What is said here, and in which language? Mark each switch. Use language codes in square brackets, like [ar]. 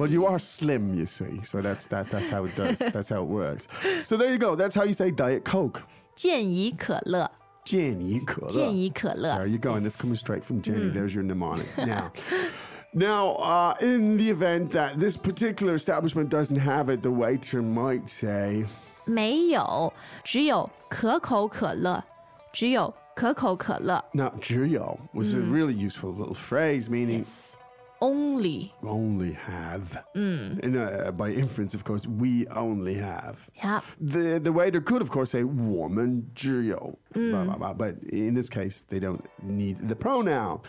[en] Well, you are slim, you see, so that's how it does, that's how it works. So there you go, that's how you say Diet Coke. [zh] 健怡可乐. 健怡可乐. 健怡可乐. [en] There you go, and it's coming straight from Jenny. There's your mnemonic. Now... Now, in the event that this particular establishment doesn't have it, the waiter might say... [zh] 没有,只有可口可乐,只有可口可乐。 [en] Now, 只有was a really useful little phrase, meaning... Yes, only. Only have. And, by inference, of course, we only have. Yeah. The waiter could, of course, say [zh] 我们只有... [en] Blah, blah, blah. But in this case, they don't need the pronoun.